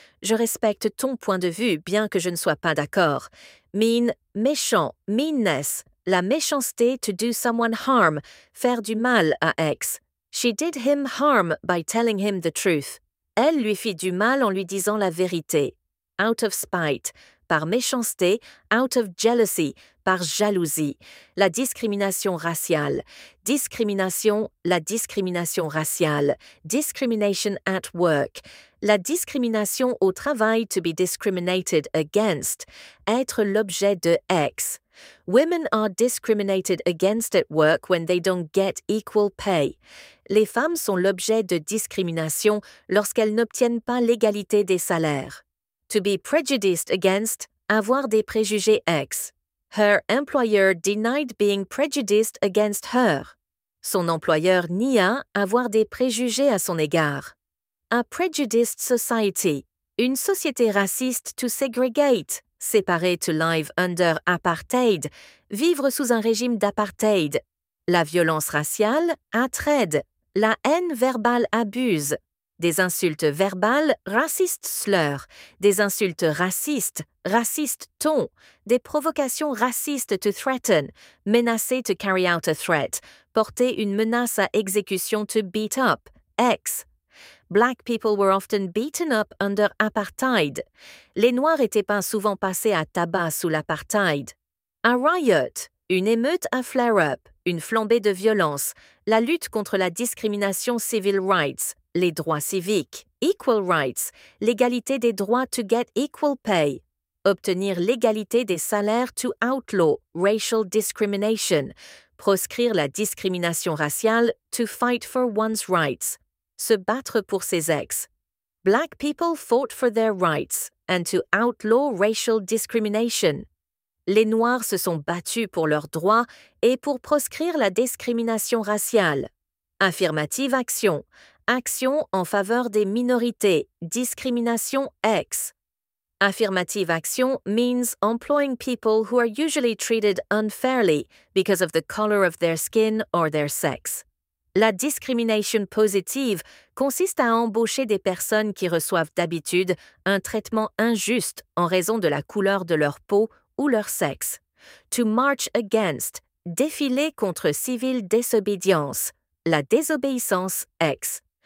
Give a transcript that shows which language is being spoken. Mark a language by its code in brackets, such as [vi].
[fr] Je respecte ton point de vue, bien que je ne sois pas d'accord. [en] Mean, [fr] méchant, [en] meanness, [fr] la méchanceté, [en] to do someone harm, [fr] faire du mal à ex. [en] She did him harm by telling him the truth. [fr] Elle lui fit du mal en lui disant la vérité. [en] Out of spite, [fr] par méchanceté, [en] out of jealousy, [fr] par jalousie. La discrimination raciale. Discrimination, la discrimination raciale. [en] Discrimination at work. [fr] La discrimination au travail, [en] to be discriminated against. [fr] Être l'objet de ex. [en] Women are discriminated against at work when they don't get equal pay. [fr] Les femmes sont l'objet de discrimination lorsqu'elles n'obtiennent pas l'égalité des salaires. [en] To be prejudiced against, [fr] avoir des préjugés ex. [en] Her employer denied being prejudiced against her. [fr] Son employeur nia avoir des préjugés à son égard. [en] A prejudiced society. [fr] Une société raciste, [en] to segregate. [fr] Séparer, [en] to live under apartheid. [fr] Vivre sous un régime d'apartheid. La violence raciale, [en] hatred. [fr] La haine verbale abuse. Des insultes verbales, [en] racist slur. [fr] Des insultes racistes, [en] racist ton. [fr] Des provocations racistes, [en] to threaten. [fr] Menacer, [en] to carry out a threat. [fr] Porter une menace à exécution, [en] to beat up. Ex. Black people were often beaten up under apartheid. [fr] Les Noirs étaient pas souvent passés à tabac sous l'apartheid. [en] A riot. [fr] Une émeute à [en] flare-up. [fr] Une flambée de violence. La lutte contre la discrimination, [en] civil rights. [fr] Les droits civiques, [en] equal rights, [fr] l'égalité des droits, [en] to get equal pay, [fr] obtenir l'égalité des salaires, [en] to outlaw racial discrimination, [fr] proscrire la discrimination raciale, [en] to fight for one's rights, [fr] se battre pour ses ex. [en] Black people fought for their rights and to outlaw racial discrimination. [fr] Les Noirs se sont battus pour leurs droits et pour proscrire la discrimination raciale. [en] Affirmative action. [fr] Action en faveur des minorités, discrimination ex. [en] Affirmative action means employing people who are usually treated unfairly because of the color of their skin or their sex. [fr] La discrimination positive consiste à embaucher des personnes qui reçoivent d'habitude un traitement injuste en raison de la couleur de leur peau ou leur sexe. [en] To march against, [fr] défiler contre civile désobéissance, la désobéissance ex.